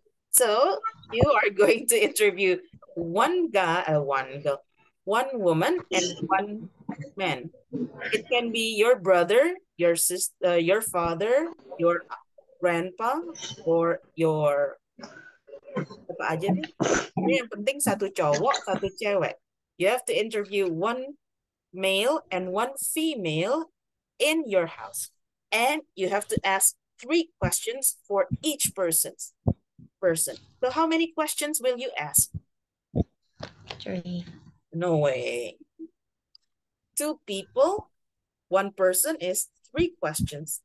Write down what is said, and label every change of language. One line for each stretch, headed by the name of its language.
English: So you are going to interview one woman and one man. It can be your brother, your sister, your father, your grandpa, or your
Indonesian: apa aja nih? Ini yang penting satu cowok, satu cewek.
English: You have to interview one male and one female in your house. And you have to ask 3 questions for each person. So how many questions will you ask? 3. No way. 2 people, one person is 3 questions.